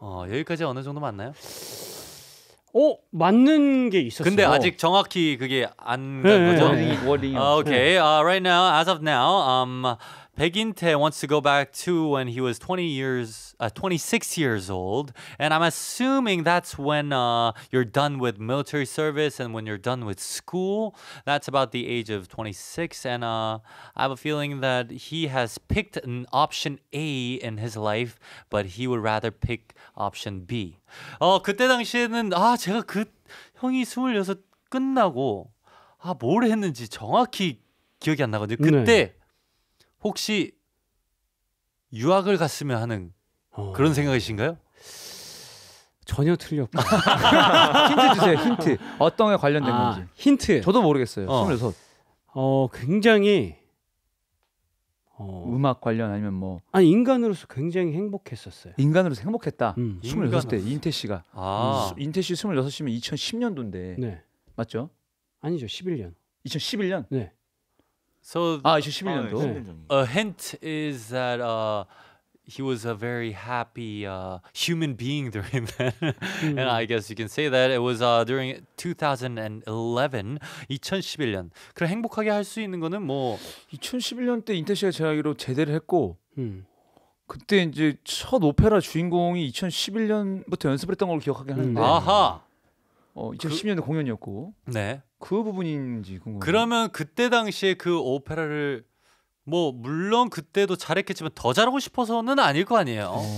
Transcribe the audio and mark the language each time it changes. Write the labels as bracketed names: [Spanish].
[Korean] 여기까지 어느 정도 맞나요? 맞는 게 있었어. 근데 아직 정확히 그게 안 간 거죠. 워딩이 오케이. [English] Right now, as of now, 백인태 wants to go back to when he was 26 years old, and I'm assuming that's when you're done with military service and when you're done with school. That's about the age of 26, and I have a feeling that he has picked an option A in his life, but he would rather pick option B. [Korean] 그때 당시에는 제가 그 형이 26 끝나고 뭘 했는지 정확히 기억이 안 나거든요. 그때 네. 혹시 유학을 갔으면 하는 그런 생각이신가요? 전혀 틀렸고 힌트 주세요. 힌트 어떤 게 관련된 건지 힌트 저도 모르겠어요. 26 굉장히 음악 관련 아니면 뭐 아니 인간으로서 굉장히 행복했었어요. 인간으로서 행복했다. 26대 인태 씨가 인태 씨 26이면 2010년도인데 네. 맞죠? 아니죠. 11년 2011년? 네. [English] So, [Korean] 11년도. [English] A hint is that he was a very happy human being during then. And I guess you can say that it was during 2011, 2011년. [Korean] 그럼 행복하게 할 수 있는 거는 뭐 2011년 때 인태 씨가 제약으로 제대를 했고 그때 이제 첫 오페라 주인공이 2011년부터 연습을 했던 걸 기억하긴 하는데 아하. 2010년도 공연이었고. 네. 그 부분인지 궁금해. 그러면 그때 당시에 그 오페라를 뭐 물론 그때도 잘했겠지만 더 잘하고 싶어서는 아닐 거 아니에요.